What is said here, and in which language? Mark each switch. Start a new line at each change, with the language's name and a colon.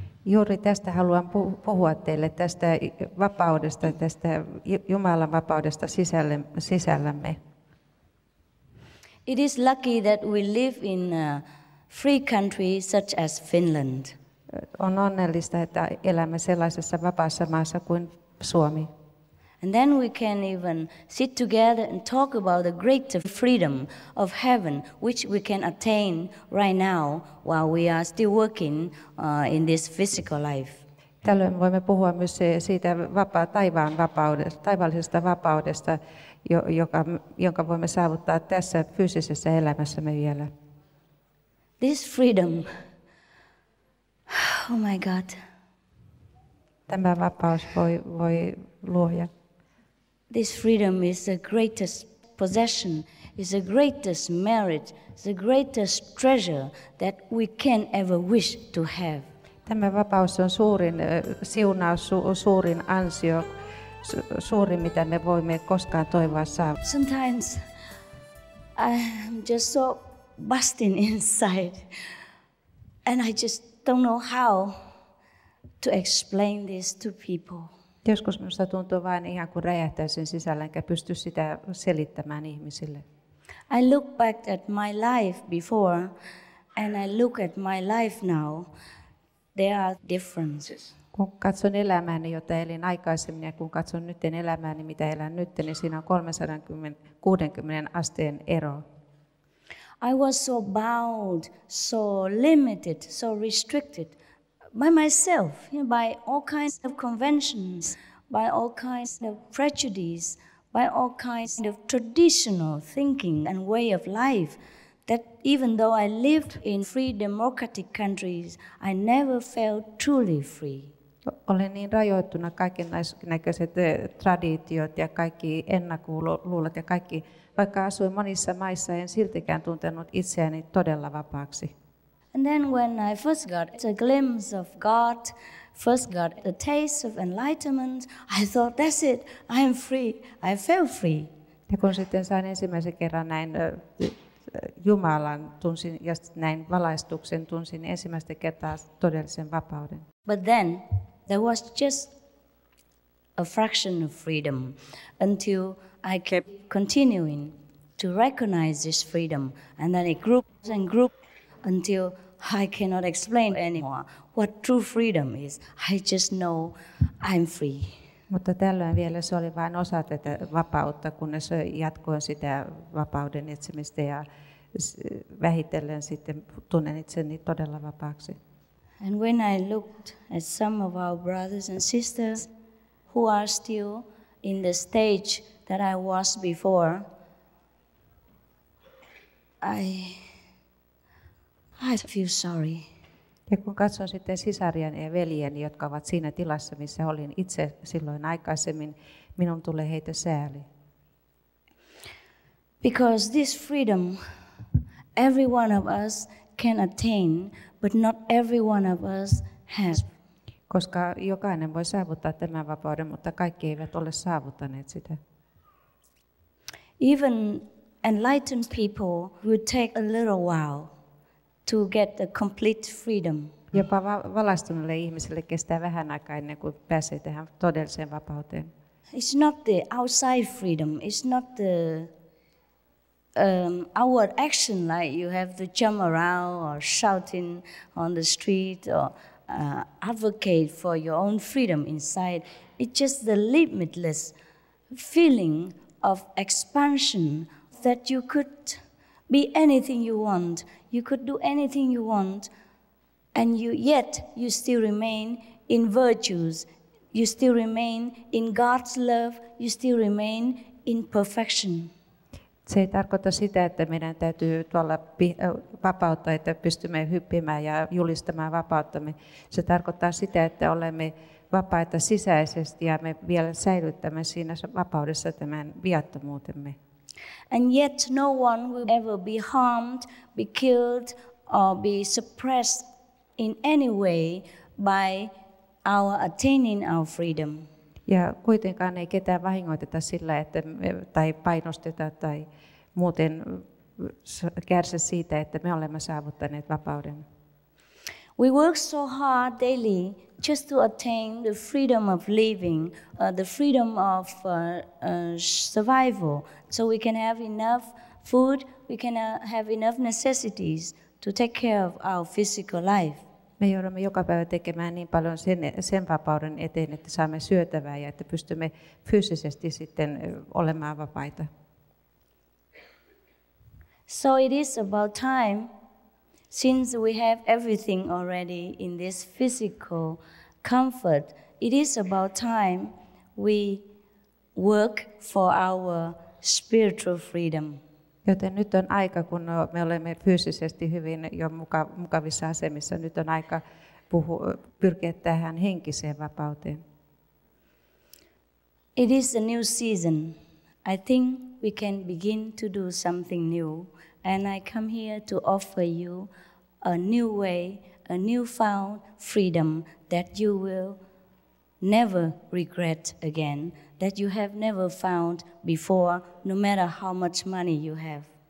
Finnish: Juuri tästä haluan puhua teille, tästä vapaudesta, tästä Jumalan vapaudesta sisällämme.
English: It is lucky that we live in free country such as Finland.
Finnish: On onnellista, että elämme sellaisessa vapaassa maassa kuin Suomi.
English: And then we can even sit together and talk about the greater freedom of heaven, which we can attain right now while we are still working in this physical life.
Finnish: Tällöin voimme puhua myös siitä taivaan vapaudesta, taivaallisesta vapaudesta, jonka voimme saavuttaa tässä fyysisessä elämässämme vielä.
English: This freedom, oh my God.
Finnish: Tämä vapaus voi luoja.
English: This freedom is the greatest possession, is the greatest merit, is the greatest treasure that we can ever wish to have.
Finnish: Tämä vapaus on suurin siunaus, suurin ansio, suurin mitä me voimme koskaan toivoa saada.
English: Sometimes I'm just so busting inside, and I just don't know how to explain this to people.
Finnish: Joskus minusta tuntuu vain ihan kuin räjähtäisin sisällä, enkä pysty sitä selittämään ihmisille.
English: I look back at my life before, and I look at my life now. There are differences.
Finnish: Kun katson elämääni, jota elin aikaisemmin, ja kun katson nytten elämääni, mitä elän nytten, niin siinä on 360 asteen ero.
English: I was so bound, so limited, so restricted by myself, you know, by all kinds of conventions, by all kinds of prejudices, by all kinds of traditional thinking and way of life, that even though I lived in free democratic countries, I never felt truly free.
Finnish: Olen niin rajoittuna kaikennäköiset traditiot ja kaikki ennakkoluulot ja kaikki. Vaikka asuin monissa maissa, en siltikään tuntenut itseäni todella vapaaksi.
English: And then when I first got a glimpse of God, first got a taste of enlightenment, I thought, that's it, I am free, I feel free.
Finnish: Ja kun sitten sain ensimmäisen kerran näin Jumalan, tunsin ja näin valaistuksen, tunsin ensimmäistä kertaa todellisen vapauden.
English: But then there was just a fraction of freedom until I kept continuing to recognize this freedom, and then it grew and grew until I cannot explain anymore what true freedom is. I just know I'm free.
Finnish: Mutta tällöin vielä se oli vain osa tätä vapautta, kunnes jatkoin sitä vapauden etsimistä ja vähitellen sitten tunnen itseni todella vapaaksi.
English: And when I looked at some of our brothers and sisters who are still in the stage that I was before, I feel sorry.
Finnish: Ja kun katson sitten sisarien ja veljeni, jotka ovat siinä tilassa, missä olin itse silloin aikaisemmin, minun tulee heitä sääli.
English: Because this freedom, every one of us can attain, but not every one of us has.
Finnish: Koska jokainen voi saavuttaa tämän vapauden, mutta kaikki eivät ole saavuttaneet sitä.
English: Even enlightened people would take a little while to get a complete freedom.
Finnish: Jopa valaistuneelle ihmiselle kestää vähän aikaa ennen kuin pääsee tähän todelliseen vapauteen.
English: It's not the outside freedom. It's not the our action, like you have to jump around or shouting on the street or advocate for your own freedom inside. It's just the limitless feeling of expansion that you could be anything you want. You could do anything you want, and yet you still remain in virtues. You still remain in God's love. You still remain in perfection.
Finnish: Se ei tarkoita sitä, että meidän täytyy tuolla vapautta, että pystymme hyppimään ja julistamaan vapauttamme. Se tarkoittaa sitä, että olemme vapaita sisäisesti ja me vielä säilyttämme siinä vapaudessa tämän viattomuutemme.
English: And yet no one will ever be harmed, be killed, or be suppressed in any way by our attaining our freedom.
Finnish: Ja kuitenkaan ei ketään vahingoiteta sillä, että me, tai painosteta tai muuten kärsä siitä, että me olemme saavuttaneet vapauden.
English: We work so hard daily just to attain the freedom of living, the freedom of survival, so we can have enough food, we can have enough necessities to take care of our physical life.
Finnish: Me joudumme joka päivä tekemään niin paljon sen vapauden eteen, että saamme syötävää ja että pystymme fyysisesti sitten olemaan vapaita.
English: So it is about time, since we have everything already in this physical comfort, it is about time we work for our spiritual freedom.
Finnish: Joten nyt on aika, kun me olemme fyysisesti hyvin jo mukavissa asemissa, nyt on aika pyrkiä tähän henkiseen vapauteen.
English: It is a new season. I think we can begin to do something new. And I come here to offer you a new way, a newfound freedom that you will never regret again, that you have never found before, no matter how much money you have.